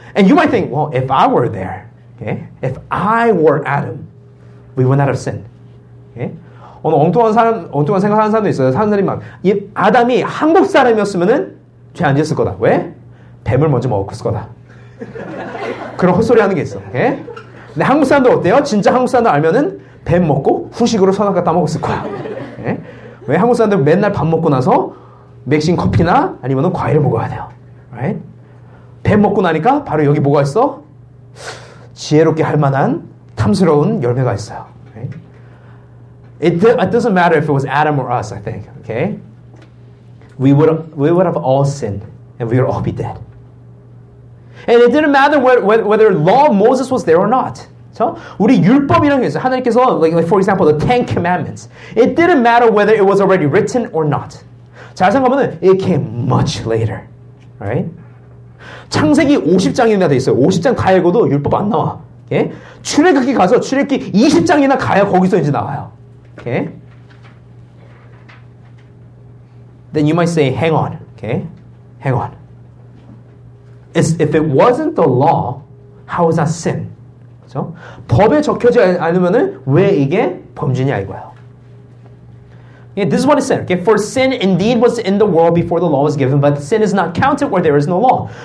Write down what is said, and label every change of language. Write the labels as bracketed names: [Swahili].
[English] And you might think, well, if I were there, okay? If I were Adam, we would not have sinned. Okay? [Korean] 오늘 엉뚱한 사람, 엉뚱한 생각하는 사람도 있어요. 사람들이 막, 이 아담이 한국 사람이었으면은 죄 안 지었을 거다. 왜? 뱀을 먼저 먹었을 거다. 그런 헛소리 하는 게 있어. [English] Okay? [Korean] 근데 한국 사람도 어때요? 진짜 한국 사람도 알면은 뱀 먹고 후식으로 선악 갖다 먹었을 거야. Okay? 왜 한국 사람들 맨날 밥 먹고 나서 맥신 커피나 아니면은 과일을 먹어야 돼요. [English] Right? [Korean] 뱀 먹고 나니까 바로 여기 뭐가 있어? 지혜롭게 할 만한 탐스러운 열매가 있어요. [English] Right? It doesn't matter if it was Adam or us, I think. Okay? We would have all sinned and we would all be dead. And it didn't matter whether law of Moses was there or not. [Korean] So, 우리 율법이라는 게 있어요. 하나님께서, [English] like for example, the Ten Commandments. It didn't matter whether it was already written or not. [Korean] 잘 생각하면 [English] it came much later. Right? [Korean] 창세기 50장이나 돼 있어요. 50장 가야 읽어도 율법 안 나와. [English] Okay? [Korean] 출애굽기 가서 출애굽기 20장이나 가야 거기서 이제 나와요. [English] Okay? Then you might say, hang on. Okay? Hang on. If it wasn't the law, how is that sin? [Korean] 그렇죠? 법에 적혀져 않으면은 왜 이게 범죄냐 이거예요. [English] Yeah, this is what it said. Okay? For sin indeed was in the world before the law was given, but sin is not counted where there is no law.